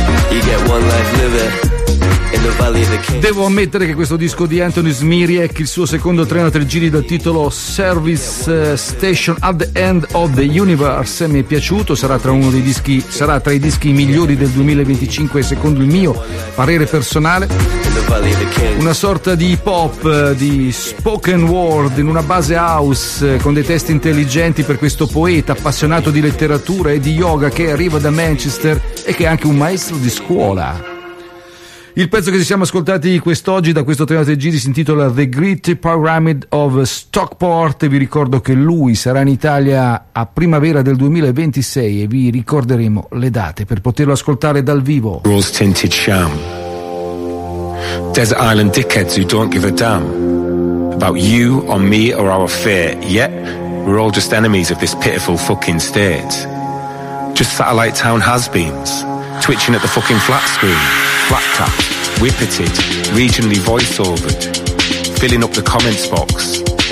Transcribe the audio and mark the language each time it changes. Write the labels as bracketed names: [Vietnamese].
[English] You get one life living in the valley of the king. [Italian] Devo ammettere che questo disco di Anthony Smiriek, il suo secondo 33 giri dal titolo Service Station at the End of the Universe, mi è piaciuto, sarà tra i dischi migliori del 2025 secondo il mio parere personale. Una sorta di hip hop, di spoken word in una base house, con dei testi intelligenti per questo poeta appassionato di letteratura e di yoga che arriva da Manchester e che è anche un maestro di scuola. Il pezzo che ci siamo ascoltati quest'oggi da questo 33 giri si intitola The Great Pyramid of Stockport. Vi ricordo che lui sarà in Italia a primavera del 2026 e vi ricorderemo le date per poterlo ascoltare dal vivo. [English] Rose tinted sham. Desert island dickheads who don't give a damn about you or me or our fate. Yet we're all just enemies of this pitiful fucking state. Just satellite town has-beens twitching at the fucking flat screen. Flat tap, whippeted, regionally voiceovered, filling up the comments box.